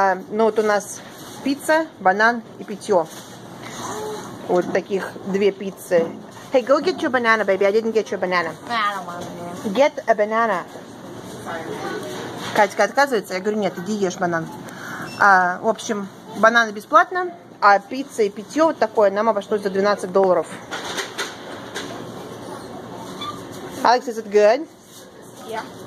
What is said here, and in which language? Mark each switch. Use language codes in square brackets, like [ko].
[ru] Но вот у нас пицца, банан и питье. Вот таких две пиццы. [en] Hey, go get your banana, baby. I didn't get your banana. I don't want banana. Get a banana. [ru] Катька отказывается. Я говорю, нет, иди ешь банан. В общем, бананы бесплатно. А пицца и питье вот такое нам обошлось за $12. [en] Алекс, is it good? Yeah.